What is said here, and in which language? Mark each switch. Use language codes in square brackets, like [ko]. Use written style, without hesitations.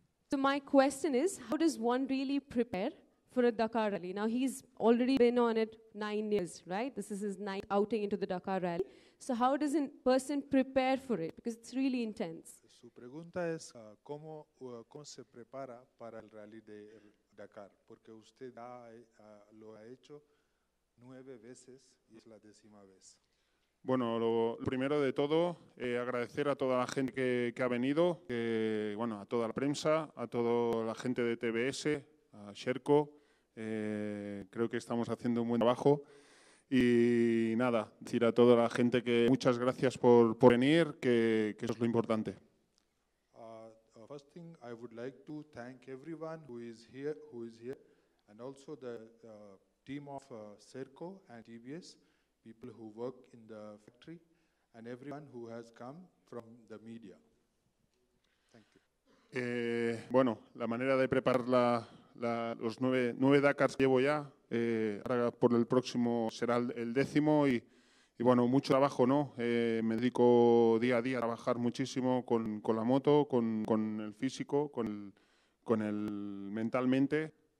[en] So my question is, how does one really prepare for a Dakar Rally? Now, he's already been on it 9 years, right? This is his ninth outing into the Dakar Rally. So how does a person prepare for it? Because it's really intense. [es] Su pregunta es, ¿cómo se prepara para el Rally de Dakar? Porque usted lo ha hecho 9 veces y es la décima vez. Bueno, lo primero de todo, agradecer a toda la gente que ha venido, a toda la prensa, a toda la gente de TVS, a Sherco. Creo que estamos haciendo un buen trabajo. Y nada, decir a toda la gente que muchas gracias por venir, que eso es lo importante. [en] First thing, I would like to thank everyone who is here, and also the team of Sherco and TVS. People who work in the factory, and everyone who has come from the media. Thank you. [es] Bueno, la manera de preparar los nueve Dakars que llevo ya, ahora por el próximo será el décimo, y bueno, mucho trabajo, ¿no? Me dedico día a día a trabajar muchísimo con la moto, con el físico, con el mentalmente.